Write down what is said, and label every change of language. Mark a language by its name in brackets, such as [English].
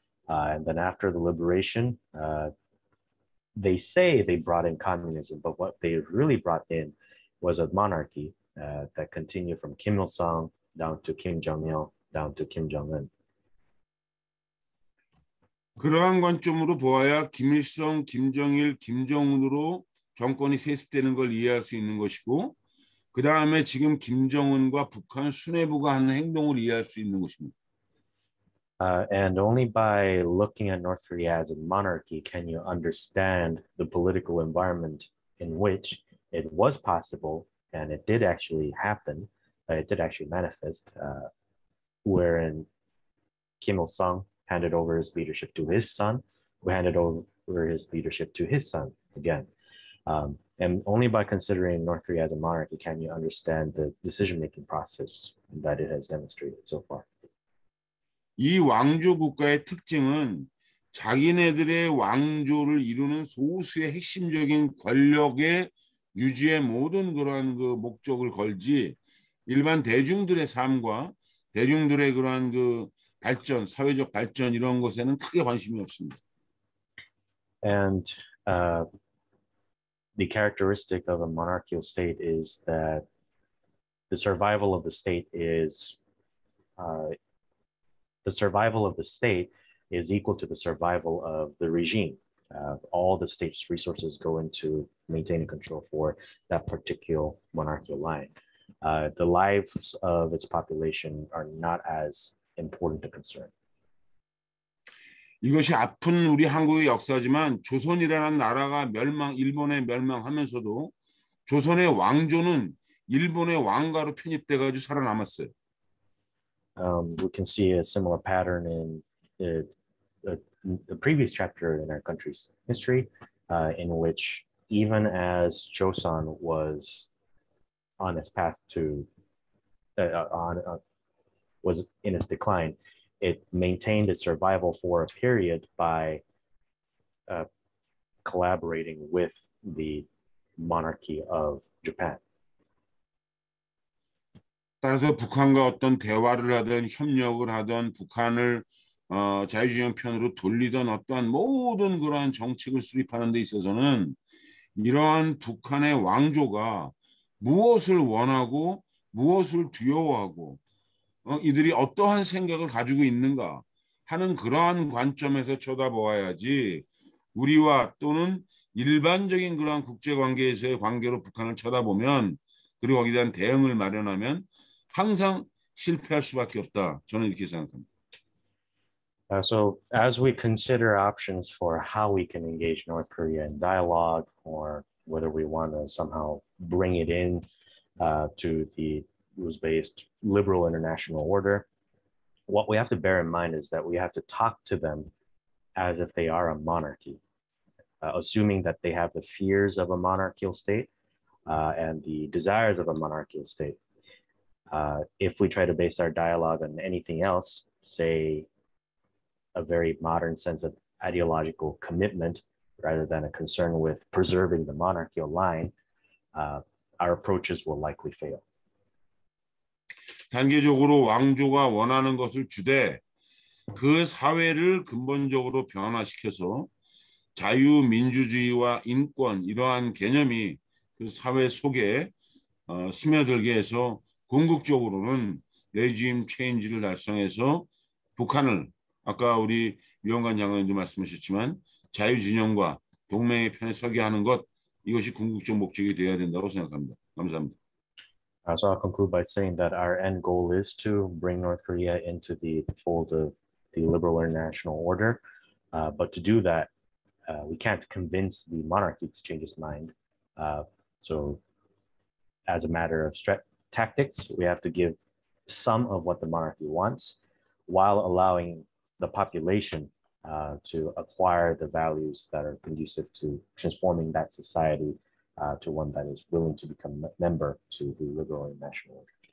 [English] And then after the liberation, they say they brought in communism, but what they really brought in was a monarchy that continued from Kim Il-sung down to Kim Jong-il, down to Kim Jong-un. [Korean] 그러한 관점으로 보아야 김일성, 김정일, 김정은으로 정권이 세습되는 걸 이해할 수 있는 것이고 그 다음에 지금 김정은과 북한 수뇌부가 하는 행동을 이해할 수 있는 것입니다. [English] And only by looking at North Korea as a monarchy can you understand the political environment in which it was possible and it did actually happen, it did actually manifest, wherein Kim Il-sung handed over his leadership to his son, who handed over his leadership to his son again. And only by considering North Korea as a monarchy can you understand the decision-making process that it has demonstrated so far. [Korean] 이 왕조 국가의 특징은 자기네들의 왕조를 이루는 소수의 핵심적인 권력의 유지의 모든 그러한 그 목적을 걸지 일반 대중들의 삶과 대중들의 그러한 그 발전, 사회적 발전 이런 것에는 크게 관심이 없습니다. [English] And the characteristic of a monarchical state is that the survival of the state is the survival of the state is equal to the survival of the regime. All the state's resources go into maintaining control for that particular monarchical line. The lives of its population are not as important a concern. [Korean] 이것이 아픈 우리 한국의 역사지만 조선이라는 나라가 멸망, 일본에 멸망하면서도 조선의 왕조는 일본의 왕가로 편입돼가지고 살아남았어요. [English] We can see a similar pattern in the previous chapter in our country's history, in which even as Joseon was on its path to was in its decline, it maintained its survival for a period by collaborating with the monarchy of Japan. [Korean] 따라서 북한과 어떤 대화를 하든 협력을 하든 북한을 자유주의 편으로 돌리던 어떤 모든 그러한 정책을 수립하는 데 있어서는 이러한 북한의 왕조가 무엇을 원하고 무엇을 두려워하고 이들이 어떠한 생각을 가지고 있는가 하는 그러한 관점에서 쳐다보아야지 우리와 또는 일반적인 그러한 국제관계에서의 관계로 북한을 쳐다보면 그리고 거기에 대한 대응을 마련하면 항상 실패할 수밖에 없다. 저는 이렇게 생각합니다. [English] So as we consider options for how we can engage North Korea in dialogue or whether we want to somehow bring it in to the rules-based liberal international order, what we have to bear in mind is that we have to talk to them as if they are a monarchy, assuming that they have the fears of a monarchical state and the desires of a monarchical state. If we try to base our dialogue on anything else, say, a very modern sense of ideological commitment rather than a concern with preserving the monarchical line, our approaches will likely fail. [Korean] 단계적으로 왕조가 원하는 것을 주되 그 사회를 근본적으로 변화시켜서 자유, 민주주의와 인권 이러한 개념이 그 사회 속에 스며들게 해서 궁극적으로는 레짐 체인지를 달성해서 북한을 아까 우리 위원관 장관님도 말씀하셨지만 자유 진영과 동맹의 편에 서게 하는 것 이것이 궁극적 목적이 되어야 된다고 생각합니다. 감사합니다. [English] So I'll conclude by saying that our end goal is to bring North Korea into the fold of the liberal international order. But to do that, we can't convince the monarchy to change its mind. So as a matter of tactics, we have to give some of what the monarchy wants while allowing the population to acquire the values that are conducive to transforming that society to one that is willing to become a member to the liberal and national order.